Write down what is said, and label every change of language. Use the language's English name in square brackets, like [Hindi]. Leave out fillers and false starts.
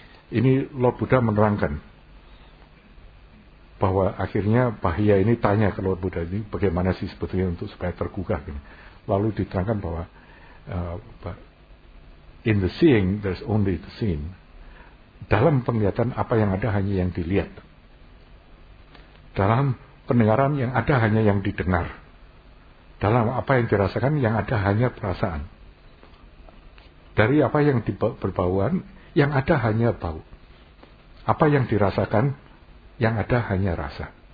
[Indonesian] Ini Lord Buddha menerangkan bahwa akhirnya Bahya ini tanya ke Lord Buddha ini bagaimana sih sebetulnya untuk supaya tergugah ini. Lalu diterangkan bahwa [English] in the seeing there's only the seen. [Indonesian] Dalam penglihatan apa yang ada hanya yang dilihat. Dalam pendengaran yang ada hanya yang didengar. Dalam apa yang dirasakan yang ada hanya perasaan. Dari apa yang berbauan yang ada hanya bau. Apa yang dirasakan yang ada hanya rasa.